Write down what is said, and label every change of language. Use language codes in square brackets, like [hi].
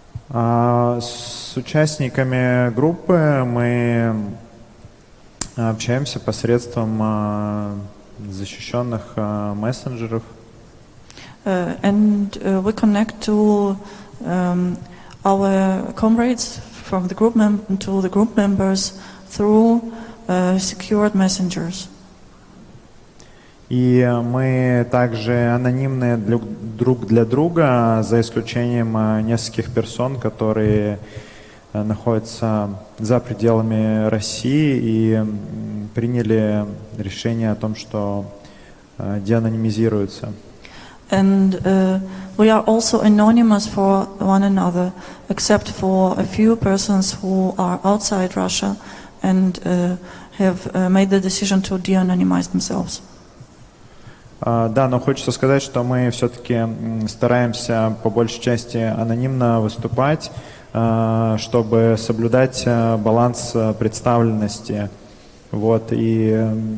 [ru] С участниками группы мы общаемся посредством защищенных мессенджеров. [en] And we connect to our comrades from the group to the group members through secured messengers. [ru] И мы также анонимны друг для друга, за исключением нескольких персон, которые находятся за пределами России и приняли решение о том, что деанонимизируются. [en] And we are also anonymous for one another, except for a few persons who are outside Russia and have made the decision to de-anonymize themselves. [ru] Да, но хочется сказать, что мы все-таки стараемся по большей части анонимно выступать, чтобы соблюдать баланс представленности. Вот, и...